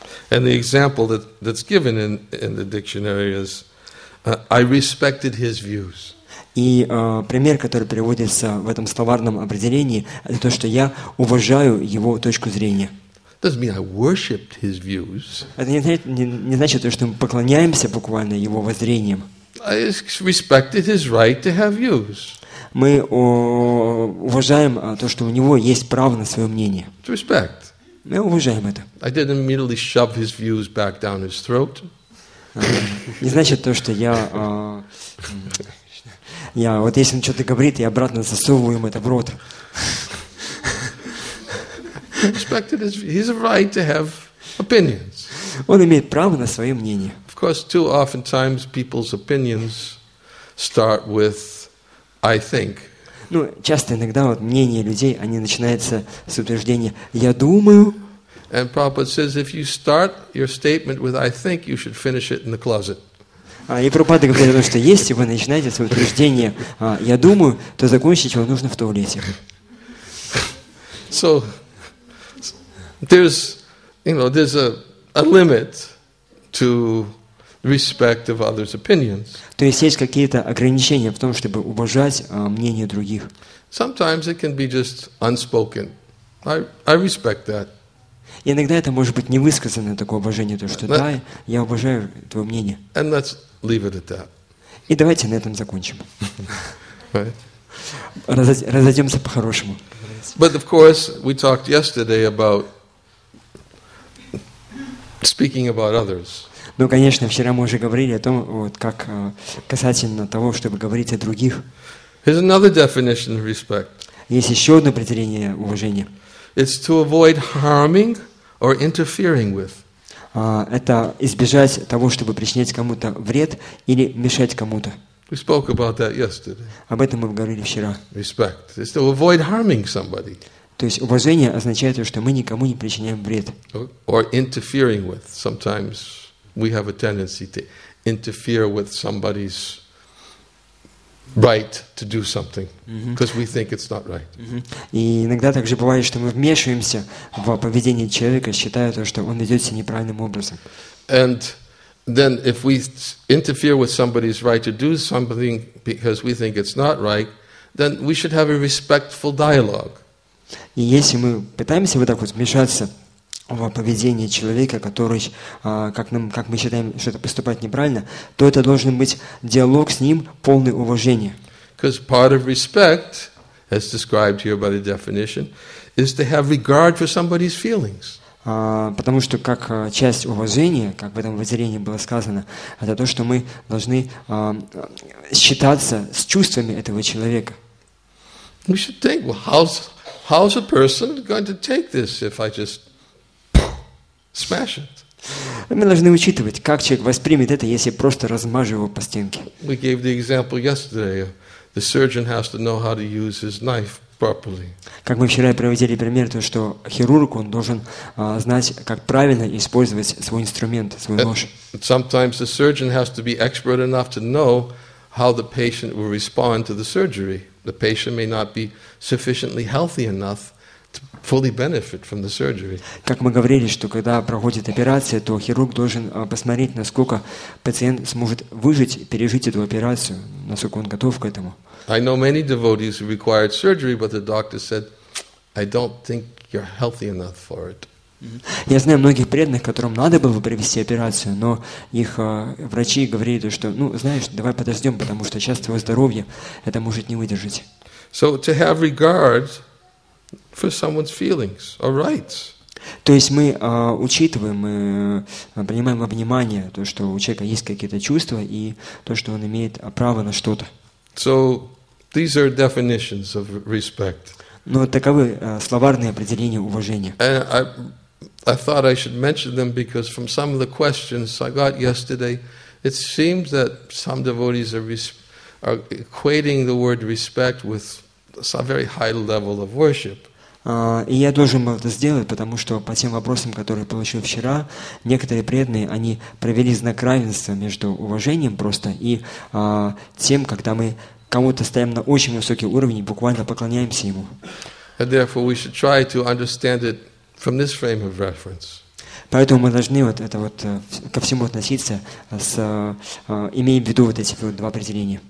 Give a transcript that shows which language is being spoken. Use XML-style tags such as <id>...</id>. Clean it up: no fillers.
<en>And the example that's given in the dictionary is I respected his views.</en> <ru>И пример, который приводится в этом словарном определении, это то, что я уважаю его точку зрения.</ru> <en>Doesn't mean I worshipped his views.</en> <ru>Это не значит то, что мы поклоняемся буквально его воззрениям.</ru> <en>I respected his right to have views.</en> <ru>Мы уважаем то, что у него есть право на свое мнение.</ru> <en>It's respect.</en> <ru>Мы уважаем это.</ru> <en>I didn't immediately shove his views back down his throat.</en> <ru>Не значит то, что я я вот если он что-то говорит, я обратно засовываю ему это в рот.</ru> <en>Respected his right to have opinions.</en> <ru>Он имеет право на свое мнение.</ru> <en>Of course, too often times people's opinions start with I think.</en> <ru>Ну, часто иногда вот мнение людей, они начинаются с утверждения «я думаю».</ru> <en>And Prabhupada says, if you start your statement with I think, you should finish it in the closet.</en> <ru>И Прабхупада говорит о том, что если вы начинаете свое утверждение «я думаю», то закончить его нужно в туалете.</ru> <en>So, there's, you know, there's a limit to respect of others' opinions.</en> <ru>То есть какие-то ограничения в том, чтобы уважать мнение других.</ru> <en>Sometimes it can be just unspoken. I respect that.</en> <ru>Иногда это может быть невысказанное такое уважение, то что да, я уважаю твое мнение.</ru> <en>And let's leave it at that.</en> <ru>И давайте на этом закончим.</ru> <en>Right?</en> <ru>Разойдемся по-хорошему.</ru> <en>But of course, we talked yesterday about speaking about others.</en> <ru>Ну, конечно, вчера мы уже говорили о том, вот как касательно того, чтобы говорить о других.</ru> <en>Here's another definition of respect.</en> <ru>Есть еще одно определение уважения.</ru> <en>It's to avoid harming or interfering with.</en> <ru>Это избежать того, чтобы причинять кому-то вред или мешать кому-то.</ru> <en>We spoke about that yesterday.</en> <ru>Об этом мы говорили вчера.</ru> <en>Respect. It's to avoid harming somebody.</en> <ru>То есть уважение означает то, что мы никому не причиняем вред.</ru> <en>Or interfering with. Sometimes we have a tendency to interfere with somebody's right to do something, because we think it's not right.</en> <ru>И иногда также бывает, что мы вмешиваемся в поведение человека, считая то, что он ведет себя неправильным образом.</ru> <en>And then, if we interfere with somebody's right to do something because we think it's not right, then we should have a respectful dialogue.</en> <ru>И если мы пытаемся вот так вот вмешаться в поведение человека, который, как мы считаем, что это поступает неправильно, то это должен быть диалог с ним, полный уважения.</ru> <en>Because part of respect, as described here by the definition, is to have regard for somebody's feelings.</en> <ru>Потому что как часть уважения, как в этом воззрении было сказано, это то, что мы должны считаться с чувствами этого человека.</ru> <en>We should think, well, how's a person going to take this if I just smash it.</en> <ru>Мы должны учитывать, как человек воспримет это, если просто размажу его по стенке.</ru> <en>We gave the example yesterday. The surgeon has to know how to use his knife properly.</en> <ru>Как мы вчера приводили пример, то что хирург он должен знать, как правильно использовать свой инструмент, свой нож.</ru> <en>Sometimes the surgeon has to be expert enough to know how the patient will respond to the surgery. The patient may not be sufficiently healthy enough fully benefit from the surgery.</en> <ru>Как мы говорили, что когда проходит операция, то хирург должен посмотреть, насколько пациент сможет выжить, пережить эту операцию, насколько он готов к этому.</ru> <en>I know many devotees who required surgery, but the doctor said, I don't think you're healthy enough for it.</en> <ru>Я знаю многих преданных, которым надо было бы провести операцию, но их врачи говорили, что, ну, знаешь, давай подождем, потому что сейчас твое здоровье это может не выдержать.</ru> <en>So to have regard for someone's feelings or rights.</en> <ru>То есть мы учитываем, мы принимаем во внимание то, что у человека есть какие-то чувства и то, что он имеет право на что-то.</ru> <en>So these are definitions of respect.</en> <ru>Но таковы словарные определения уважения.</ru> <en>And I thought I should mention them because from some of the questions I got yesterday, it seems that some devotees are equating the word respect with a very high level of worship.</en> <ru>И я должен был это сделать, потому что по тем вопросам, которые получил вчера, некоторые преданные, они провели знак равенства между уважением просто и тем, когда мы кому-то стоим на очень высокий уровень и буквально поклоняемся ему.</ru> <en>And therefore we should try to understand it from this frame of reference.</en> <ru>Поэтому мы должны вот это вот ко всему относиться, с, имея в виду вот эти вот два определения.</ru>